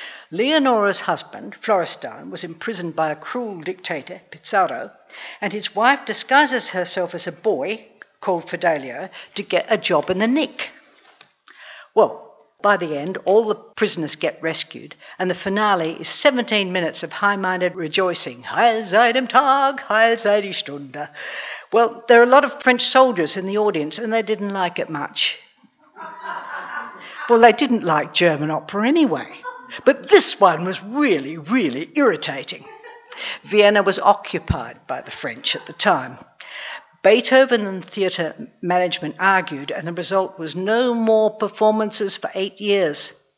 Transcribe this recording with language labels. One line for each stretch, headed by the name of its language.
English: Leonora's husband, Florestan, was imprisoned by a cruel dictator, Pizarro, and his wife disguises herself as a boy, called Fidelio, to get a job in the Nick. Well, by the end, all the prisoners get rescued, and the finale is 17 minutes of high-minded rejoicing.
German: Heil sei dem Tag, heil sei die Stunde.
English: Well, there are a lot of French soldiers in the audience, and they didn't like it much. Well, they didn't like German opera anyway. But this one was really, really irritating. Vienna was occupied by the French at the time. Beethoven and theatre management argued, and the result was no more performances for 8 years.